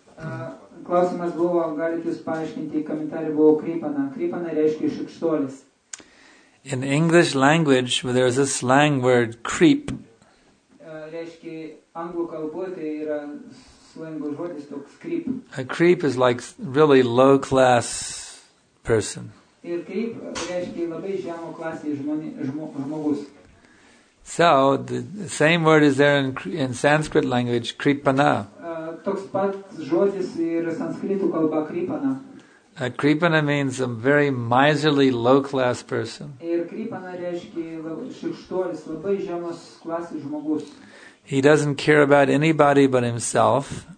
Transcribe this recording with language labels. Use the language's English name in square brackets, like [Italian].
[Lithuanian] Klausimas buvo, galite jūs paaiškinti, komentarį buvo Kripana. Kripana reiškia šikštolis. [English] In English language, where there is a slang word, creep. [Lithuanian] Reiškia, anglų kalboje tai yra slangų žodis toks, creep. [English] A creep is like really low-class person. [Lithuanian] Ir creep reiškia labai žemo klasės žmogus. [English] So, the same word is there in Sanskrit language, kripana. [Lithuanian] Toks pat žodis ir sanskritų kalba kripana. [English] A kripana means a very miserly, low-class person. [Lithuanian] Ir kripana reiškia šikštuolis, labai žemos klasės žmogus. [English] He doesn't care about anybody but himself.